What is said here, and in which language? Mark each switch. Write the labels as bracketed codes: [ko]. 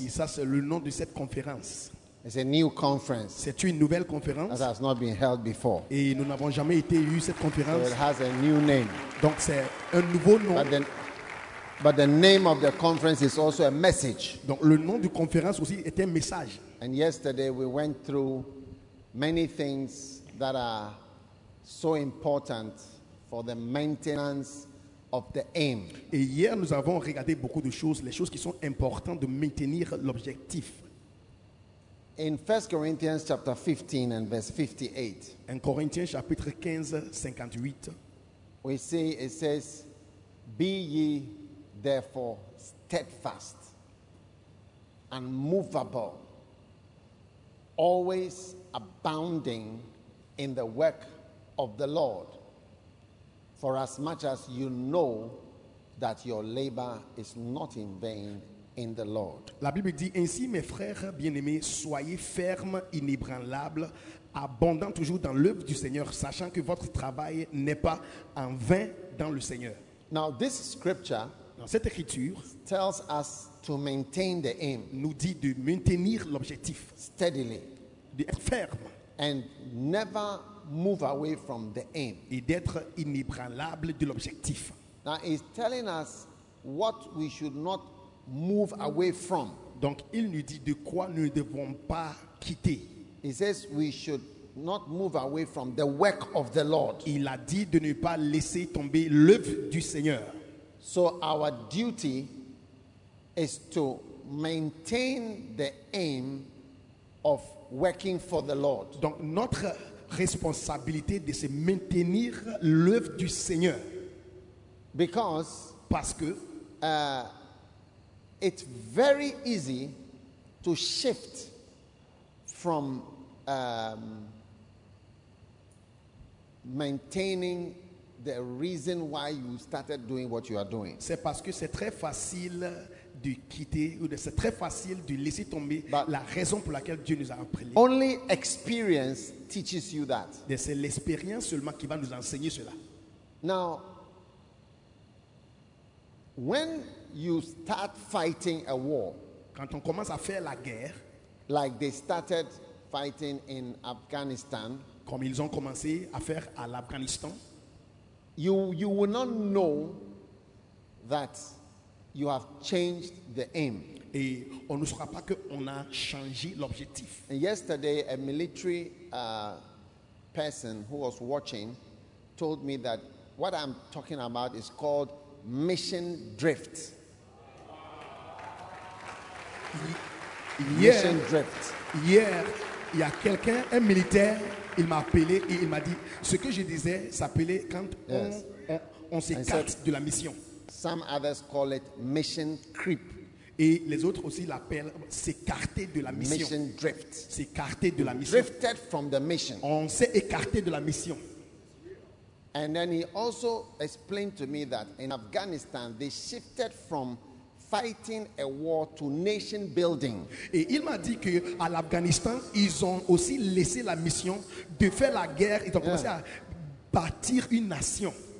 [fr] Et ça c'est le nom de cette conférence. [en] It's a new conference. [fr] C'est une nouvelle conférence. [en] That has not been held before. [fr] Et nous n'avons jamais été eu cette conférence. [en] So it has a new name. [fr] Donc c'est un nouveau nom. [en] But the name of the conference is also a message. [fr] Donc le nom de conférence aussi est un message. [en] And yesterday we went through many things that are so important for the maintenance of the aim. [fr] Et hier nous avons regardé beaucoup de choses, les choses qui sont importantes de maintenir l'objectif. [en] In 1 Corinthians chapter 15 and verse 58. [fr] En Corinthiens chapitre 15 58. [en] We see it says, "Be ye therefore steadfast, unmovable, always abounding in the work of the Lord, for as much as you know that your labor is not in vain in the Lord." [fr] La Bible dit ainsi, mes frères bien-aimés, soyez fermes, inébranlables, abondants toujours dans l'œuvre du Seigneur, sachant que votre travail n'est pas en vain dans le Seigneur. [en] Now this scripture. [fr] Cette écriture [en] tells us to maintain the aim, [fr] nous dit de maintenir l'objectif [en] steadily, [fr] d'être ferme, [en] and never move away from the aim, [fr] et d'être inébranlable de l'objectif. [en] Now he's telling us what we should not move away from. [fr] Donc il nous dit de quoi nous ne devons pas quitter. [en] He says we should not move away from the work of the Lord. [fr] Il a dit de ne pas laisser tomber l'œuvre du Seigneur. [en] So our duty is to maintain the aim of working for the Lord. [fr] Donc notre responsabilité de se maintenir l'œuvre du Seigneur. [en] Because [fr] parce que [en] it's very easy to shift from maintaining the reason why you started doing what you are doing. [fr] C'est parce que c'est très facile de quitter ou de, c'est très facile de laisser tomber. [en] But [fr] la raison pour laquelle Dieu nous a appelés. [en] Only experience teaches you that. [fr] Et c'est l'expérience seulement qui va nous enseigner cela. [en] Now, when you start fighting a war, [fr] quand on commence à faire la guerre, [en] like they started fighting in Afghanistan, [fr] comme ils ont commencé à faire à l'Afghanistan, [en] You will not know that you have changed the aim. [fr] Et on ne saura pas que on a changé l'objectif. [en] And yesterday, a military person who was watching told me that what I'm talking about is called mission drift. Mission drift. [fr] Hier, il y a quelqu'un, un militaire. Il m'a appelé et il m'a dit ce que je disais s'appelait quand on s'écarte de la mission. [en] Some others call it mission creep. [fr] Et les autres aussi l'appellent s'écarter de la mission. [en] Mission drift. [fr] S'écarter de la mission. [en] Drifted from the mission. [fr] On s'est écarté de la mission. [en] And then he also explained to me that in Afghanistan they shifted from fighting a war to nation building. [fr] Et il m'a dit que à l'Afghanistan, ils ont aussi laissé la mission de faire la guerre et ont commencé à bâtir une nation.